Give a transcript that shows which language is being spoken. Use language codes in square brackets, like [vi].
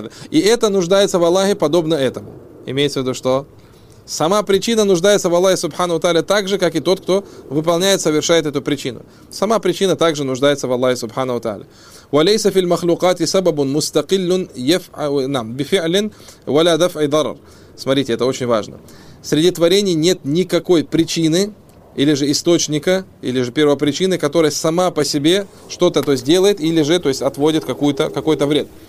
[ru] И это нуждается в Аллахе подобно этому. Имеется в виду, что сама причина нуждается в Аллахе Субхану Тааля так же, как и тот, кто выполняет, совершает эту причину. Сама причина также нуждается в Аллахе Субхану Тааля. [ar] وليس في المخلوقات سبب مستقل يفعل نعم بفعل ولا دفع ضرر. [ru] Смотрите, это очень важно. Среди творений нет никакой причины, или же источника, или же первопричины, которая сама по себе что-то то есть, делает, или же то есть, отводит какой-то вред.